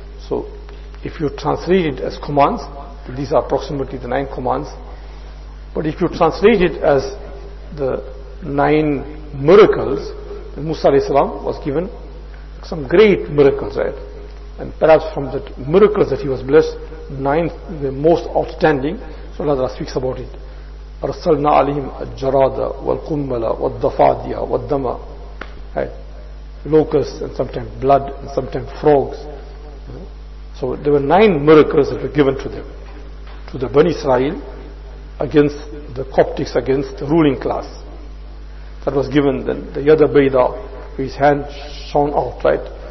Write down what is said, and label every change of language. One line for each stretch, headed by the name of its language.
English: So if you translate it as commands, these are approximately the nine commands, but if you translate it as the nine miracles, then Musa alayhi salam was given some great miracles, right? And perhaps from the miracles that he was blessed, nine the most outstanding. So Allah Ta'ala speaks about it.
Arabic: أَرْسَلْنَا عَلِهِمْ الْجَرَادَ وَالْقُمَّلَ وَالْضَفَادِيَ وَالْدَّمَ,
English: right? Locusts and sometimes blood and sometimes frogs. So there were nine miracles that were given to them, to the Bani Israel, against the Coptics, against the ruling class. That was given then, the Yada Bayda, his hand shone out, right?